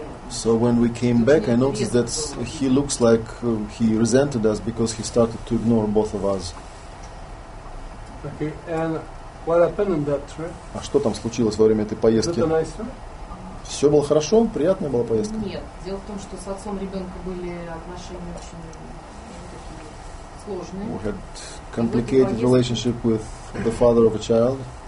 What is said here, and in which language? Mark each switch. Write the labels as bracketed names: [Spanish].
[English] So when we came back, I noticed that he looks like he resented us because he started to ignore both of us. Okay, and what happened on that trip? [Russian] А что там случилось во время этой поездки? Все было хорошо, приятная была поездка. Нет, дело в том, что с отцом ребенка были отношения очень, ну, такие, скажем, [English] who had complicated relationship with the father of a child.